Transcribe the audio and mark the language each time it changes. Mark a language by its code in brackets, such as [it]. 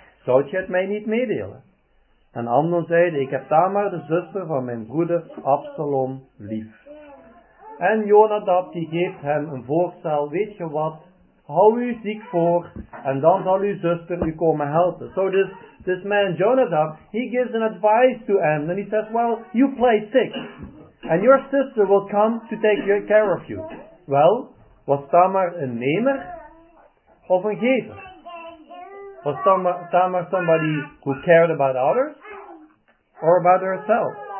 [nl] Zou je het mij niet meedelen? En Amnon zeide, ik heb Tamar, de zuster van mijn broeder Absalom, lief. En Jonadab die geeft hem een voorstel, weet je wat, hou u ziek voor en dan zal uw zuster u komen helpen. [en] So this man Jonadab, he gives an advice to Amnon. He says, well, you play sick and your sister will come to take care of you. Well, was [nl] Tamar een nemer of een gever? [en] Was Tamar somebody who cared about others or about herself?